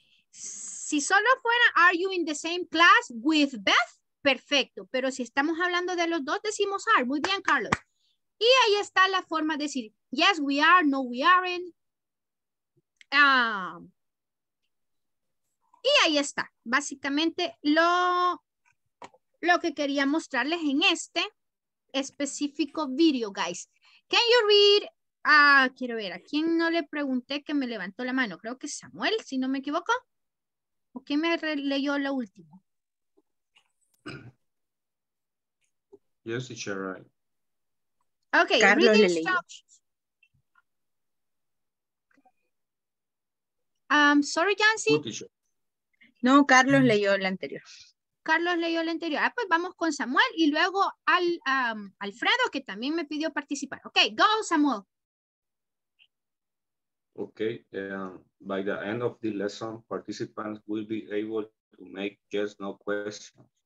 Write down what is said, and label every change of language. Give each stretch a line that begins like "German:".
Spanish: Si solo fuera,
English: are you in the same class with Beth?
Spanish: Perfecto. Pero si estamos hablando de los dos, decimos are. Muy bien, Carlos. Y ahí está la forma de decir,
English: yes, we are, no, we aren't.
Spanish: Y ahí está. Básicamente lo que quería mostrarles en este específico video, guys.
English: Can you read?
Spanish: Quiero ver, ¿a quién no le pregunté que me levantó la mano? Creo que Samuel, si no me equivoco. ¿O quién me leyó lo último?
English: Yes, it's all right. Ok, Carlos, read instructions. Sorry, Yancy.
Spanish: No, Carlos leyó la anterior. Carlos leyó la anterior. Ah, pues vamos con Samuel y luego al Alfredo, que también me pidió participar.
English: Ok, go, Samuel. Ok, by the end of the lesson, participants will be able to make yes, no questions